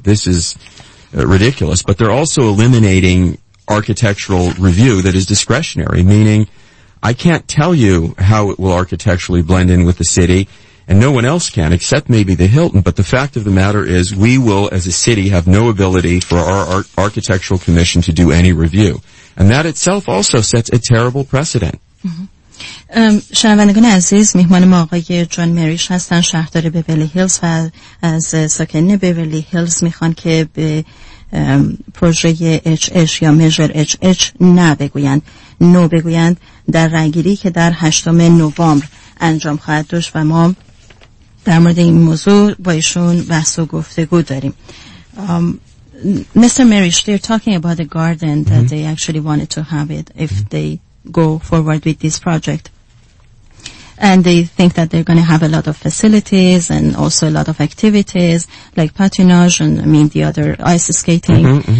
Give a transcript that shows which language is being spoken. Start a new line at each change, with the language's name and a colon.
English: This is ridiculous. But they're also eliminating architectural review that is discretionary, meaning I can't tell you how it will architecturally blend in with the city, and no one else can, except maybe the Hilton. But the fact of the matter is we will, as a city, have no ability for our architectural commission to do any review. And that itself also sets a terrible precedent.
Persian: شنوندگان عزیز، مهمان ما آقای جان مریش هستن، شهردار بیولی هیلز، و از ساکنین بیولی هیلز میخوان که به پروژه HH یا میجر HH نبگویند، نو بگویند، در رأی‌گیری که در 8 نوامبر انجام خواهد داشت، و ما در مورد این موضوع با ایشون بحث و گفتگو داریم.
English: Mr. Marish, they're talking about the garden that they actually wanted to have it if they go forward with this project, and they think that they're going to have a lot of facilities and also a lot of activities like patinage and, I mean, the other ice skating.